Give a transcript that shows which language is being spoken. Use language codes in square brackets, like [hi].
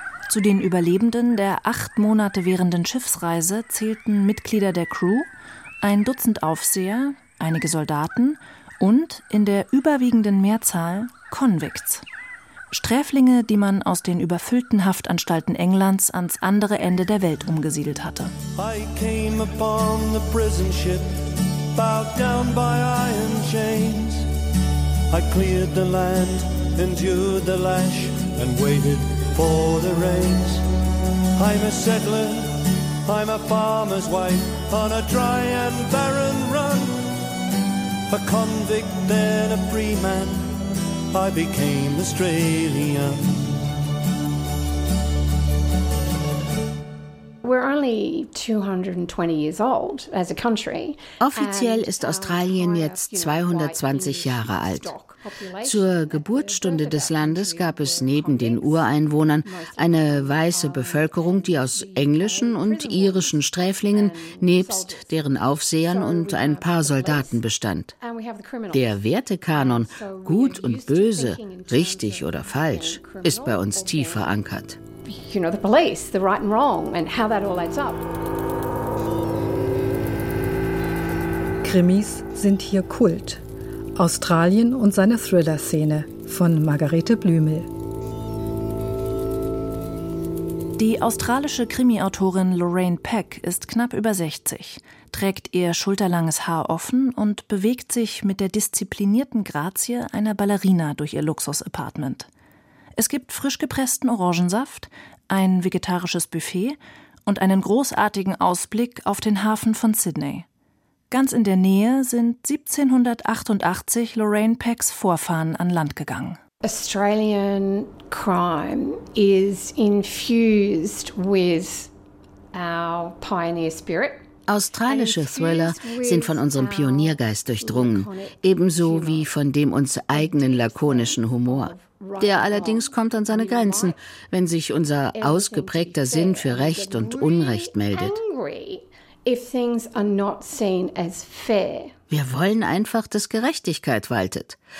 [de] Zu den Überlebenden der 8 Monate währenden Schiffsreise zählten Mitglieder der Crew, 12 Aufseher, einige Soldaten und in der überwiegenden Mehrzahl Convicts. Sträflinge, die man aus den überfüllten Haftanstalten Englands ans andere Ende der Welt umgesiedelt hatte. [en] I came upon the prison ship, bowed down by iron chains. I cleared the land, endured the lash, and waited for the rains. I'm a settler, I'm a farmer's wife, on a dry and barren run. A convict, then a free man, I became Australian. We're only 220 years old as a country. [de] Offiziell ist Australien jetzt 220 Jahre alt. Zur Geburtsstunde des Landes gab es neben den Ureinwohnern eine weiße Bevölkerung, die aus englischen und irischen Sträflingen nebst deren Aufsehern und ein paar Soldaten bestand. Der Wertekanon, gut und böse, richtig oder falsch, ist bei uns tief verankert. [en] You know, the police, the right and wrong, and how that all adds up. [de] Krimis sind hier Kult. Australien und seine Thriller-Szene von Margarete Blümel. Die australische Krimi-Autorin Lorraine Peck ist knapp über 60, trägt ihr schulterlanges Haar offen und bewegt sich mit der disziplinierten Grazie einer Ballerina durch ihr Luxus-Apartment. Es gibt frisch gepressten Orangensaft, ein vegetarisches Buffet und einen großartigen Ausblick auf den Hafen von Sydney. Ganz in der Nähe sind 1788 Lorraine Pecks Vorfahren an Land gegangen. [en] Australian crime is infused with our pioneer spirit. [de] Australische Thriller sind von unserem Pioniergeist durchdrungen, ebenso wie von dem uns eigenen lakonischen Humor. Der allerdings kommt an seine Grenzen, wenn sich unser ausgeprägter Sinn für Recht und Unrecht meldet. Wir wollen einfach, dass Gerechtigkeit waltet.